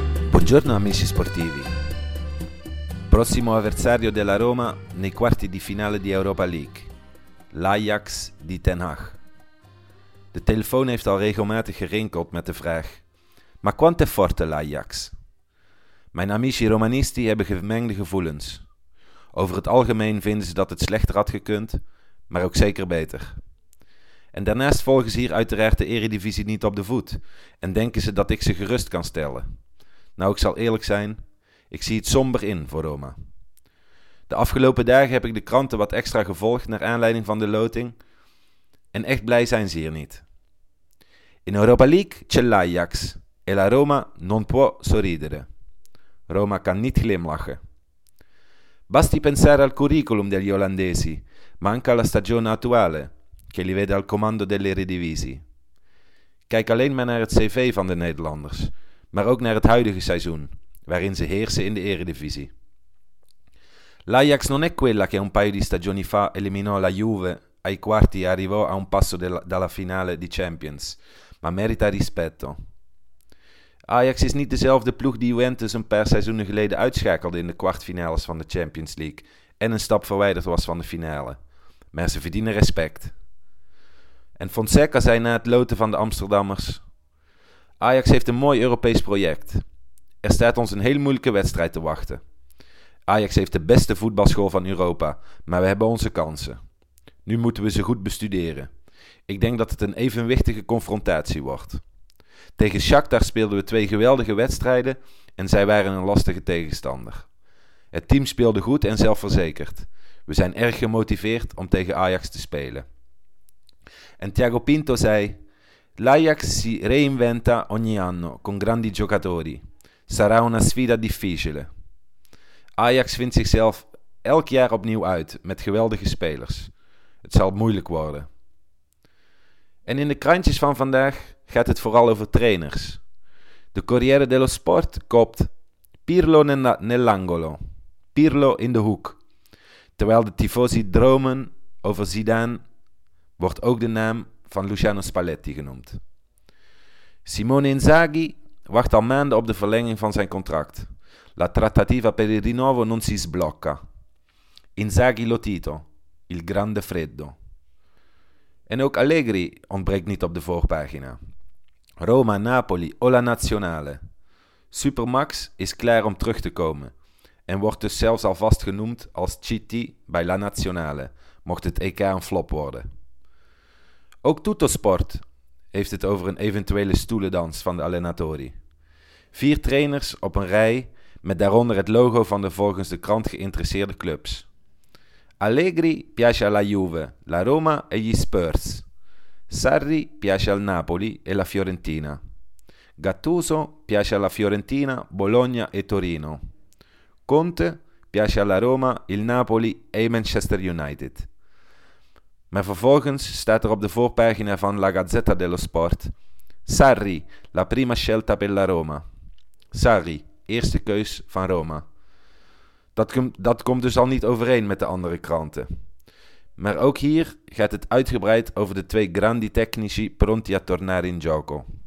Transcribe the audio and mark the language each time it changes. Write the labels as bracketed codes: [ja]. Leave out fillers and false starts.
[it] Buongiorno amici sportivi. Prossimo avversario della Roma nei quarti di finale di Europa League. L'Ajax di Ten Hag. [nl] De telefoon heeft al regelmatig gerinkeld met de vraag: [it] ma quanto è forte l'Ajax? [nl] Mijn [it] amici romanisti [nl] hebben gemengde gevoelens. Over het algemeen vinden ze dat het slechter had gekund, maar ook zeker beter. En daarnaast volgen ze hier uiteraard de Eredivisie niet op de voet en denken ze dat ik ze gerust kan stellen. Nou, ik zal eerlijk zijn, ik zie het somber in voor Roma. De afgelopen dagen heb ik de kranten wat extra gevolgd naar aanleiding van de loting en echt blij zijn ze hier niet. [it] In Europa League c'è l'Ajax E la Roma non può sorridere. [nl] Roma kan niet glimlachen. [it] Basti pensare al curriculum degli olandesi, ma anche alla stagione attuale, che li vede al comando delle Eredivisie. [nl] Kijk alleen maar naar het cv van de Nederlanders, maar ook naar het huidige seizoen, waarin ze heersen in de Eredivisie. [it] L'Ajax non è quella che un paio di stagioni fa eliminò la Juve ai quarti e arrivò a un passo dalla finale di Champions, ma merita rispetto. [nl] Ajax is niet dezelfde ploeg die Juventus een paar seizoenen geleden uitschakelde in de kwartfinales van de Champions League en een stap verwijderd was van de finale. Maar ze verdienen respect. En Fonseca zei na het loten van de Amsterdammers: Ajax heeft een mooi Europees project. Er staat ons een heel moeilijke wedstrijd te wachten. Ajax heeft de beste voetbalschool van Europa, maar we hebben onze kansen. Nu moeten we ze goed bestuderen. Ik denk dat het een evenwichtige confrontatie wordt. Tegen Shakhtar speelden we twee geweldige wedstrijden en zij waren een lastige tegenstander. Het team speelde goed en zelfverzekerd. We zijn erg gemotiveerd om tegen Ajax te spelen. En Thiago Pinto zei: [it] L'Ajax si reinventa ogni anno con grandi giocatori. Sarà una sfida difficile. [nl] Ajax vindt zichzelf elk jaar opnieuw uit met geweldige spelers. Het zal moeilijk worden. En in de krantjes van vandaag gaat het vooral over trainers. De Corriere dello Sport kopt [it] Pirlo nell'angolo. [nl] Pirlo in de hoek. Terwijl de tifosi dromen over Zidane, wordt ook de naam van Luciano Spalletti genoemd. Simone Inzaghi wacht al maanden op de verlenging van zijn contract. [it] La trattativa per il rinnovo non si sblocca. Inzaghi lo tito, il grande freddo. [nl] En ook Allegri ontbreekt niet op de voorpagina. [it] Roma, Napoli, Ola Nazionale. [nl] Supermax is klaar om terug te komen en wordt dus zelfs alvast genoemd als CT bij La Nazionale, mocht het EK een flop worden. Ook Tuttosport heeft het over een eventuele stoelendans van de allenatori. Vier trainers op een rij met daaronder het logo van de volgens de krant geïnteresseerde clubs. [it] Allegri piace alla Juve, la Roma e gli Spurs. Sarri piace al Napoli e la Fiorentina. Gattuso piace alla Fiorentina, Bologna e Torino. Conte piace alla Roma, il Napoli e Manchester United. [nl] Maar vervolgens staat er op de voorpagina van La Gazzetta dello Sport: [it] Sarri, la prima scelta per la Roma. [nl] Sarri, eerste keus van Roma. Dat komt dus al niet overeen met de andere kranten. Maar ook hier gaat het uitgebreid over de twee [it] grandi tecnici pronti a tornare in gioco.